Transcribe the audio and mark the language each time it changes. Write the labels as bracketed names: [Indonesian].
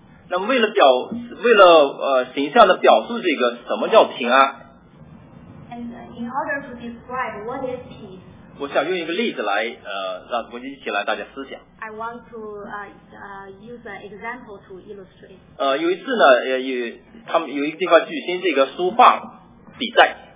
[Chinese] 那么为了形象的表述这个什么叫平安？ [English] And in order to describe what is peace, [Chinese] 我想用一个例子来让我们一起来大家思想。 [English] I want to use an example to illustrate. [Chinese] 有一次呢，他们有一个地方举行这个书画比赛。